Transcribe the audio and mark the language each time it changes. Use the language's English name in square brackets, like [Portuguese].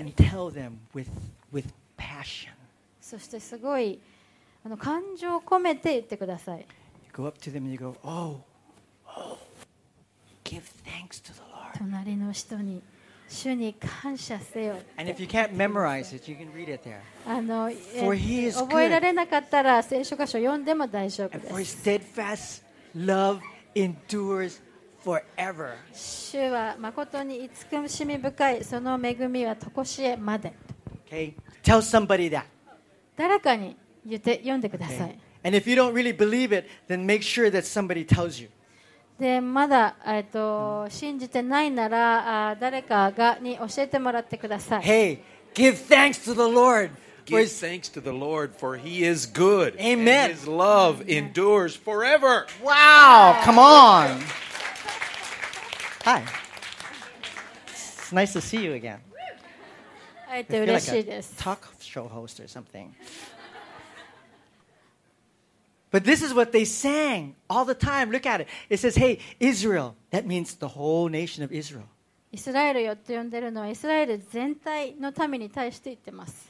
[English] And tell them with passion. [Japanese] そしてすごい感情を込めて言ってください。 [English] You go up to them and you go, oh, give thanks to the Lord. [Japanese] 隣の人に主に感謝せよ。 [English] And if you can't memorize it, you can read it there. For He is good. [Japanese] 覚えられなかったら聖書箇所読んでも大丈夫です。 [English] And for His steadfast love endures. Forever. [Japanese] 主は誠に慈しみ深いその恵みはとこしえまで。 [English] Okay. Tell somebody that. [Japanese] 誰かに言って読んでください。 [English] Okay. And if you don't really believe it, then make sure that somebody tells you. [Japanese] でまだ信じてないなら誰かがに教えてもらってください。 [English] Hey, give thanks to the Lord. Give thanks to the Lord for He is good. Amen. And His love endures forever. Wow. Come on. Hi. It's nice to see you again. I feel like a talk show host or something. But this is what they sang all the time. Look at it. It says, hey, Israel. That means the whole nation of Israel. [Japanese] イスラエルよって呼んでるのはイスラエル全体の民に対して言ってます。